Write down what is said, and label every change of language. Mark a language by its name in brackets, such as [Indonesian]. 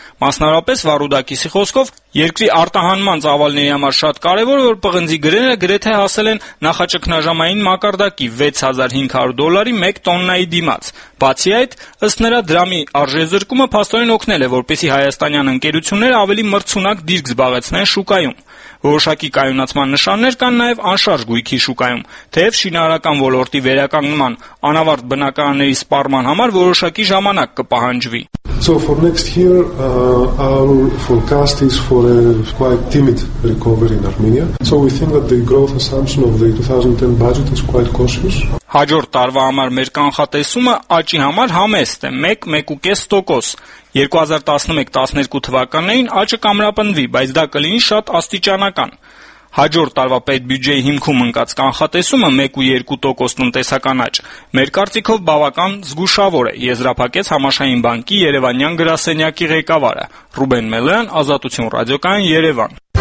[Armenian] Մասնարապես Վարուդակիսի խոսքով երկրի արտահանման ծավալների համար շատ կարևոր է, որ պղնձի գրերը գրեթե հասել են նախաճգնաժամային մակարդակի $6,500 մեկ տոննայի դիմաց։ Բացի այդ, ըստ նրա, դրամի արժե զրկումը փաստորեն օգնել է, որպեսզի հայաստանյան ընկերությունները ավելի մրցունակ դիրք զբաղեցնեն շուկայում։ Որոշակի կայունացման նշաններ կան նաև անշարժ գույքի շուկայում, թեև շինարարական ոլորտի վերականգնման անավարտ բնակարանների սպառման համար որոշակի ժամանակ կպահանջվի։ [English] So for next year, our forecast is for a quite timid recovery in Armenia. So we think that the growth assumption of the 2010 budget is quite cautious. [Armenian] Հաջորդ տարվա համար մեր կանխատեսումը աճի համար համեստ է 1-1.5%. 2011-12 թվականներին աճը կամրապնդվի, բայց դա կլինի շատ աստիճանական։ Հաջորդ տարվա պետ բյուջեի հիմքում ընկած կանխատեսումը 1-2% տնտեսական աճ, մեր կարծիքով բավական զգուշավոր է, եզրափակեց Համաշխարհային բանկի Երևանյան գրասենյակի ղեկավարը, Ռուբեն Մելոյան, Ազատություն ռադիոկայան, Երևան։